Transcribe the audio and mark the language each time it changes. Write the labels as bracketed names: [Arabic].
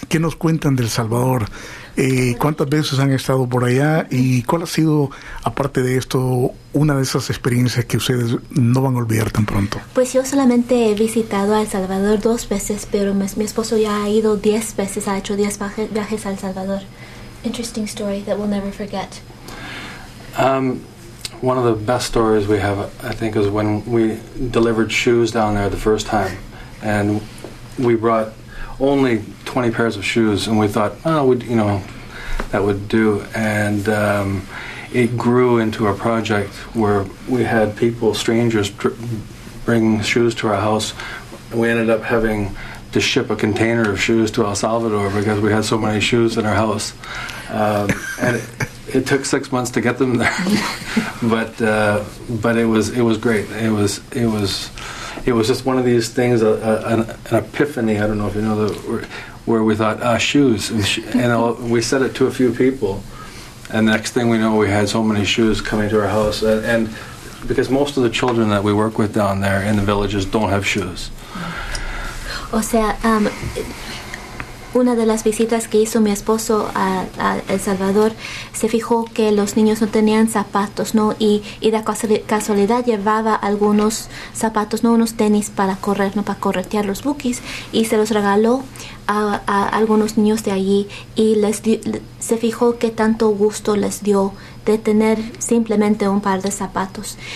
[Spanish] ¿Qué nos cuentan de El Salvador? ¿Cuántas veces han estado por allá? ¿Y cuál ha sido, aparte de esto, una de esas experiencias que ustedes no van a olvidar tan pronto? Pues yo solamente he visitado a El Salvador 2 veces, pero mi esposo ya ha ido 10 veces, ha hecho 10 viajes a El Salvador. [English] Interesting story that we'll never forget. One of the best stories we have, I think, is when we delivered shoes down there the first time. And we brought only 20 pairs of shoes, and we thought, that would do. And it grew into a project where we had people, strangers, bring shoes to our house. We ended up having to ship a container of shoes to El Salvador because we had so many shoes in our house. And It took 6 months to get them there, but it was great. It was just one of these things, an epiphany. I don't know if you know the word, where we thought shoes, and we said it to a few people, and the next thing we know, we had so many shoes coming to our house, and because most of the children that we work with down there in the villages don't have shoes. [Spanish] O sea, una de las visitas que hizo mi esposo a El Salvador se fijó que los niños no tenían zapatos, ¿no? Y de casualidad llevaba algunos zapatos, ¿no? Unos tenis para correr, ¿no? Para corretear los bookies, y se los regaló a algunos niños de allí, y se fijó que tanto gusto les dio de tener simplemente un par de zapatos,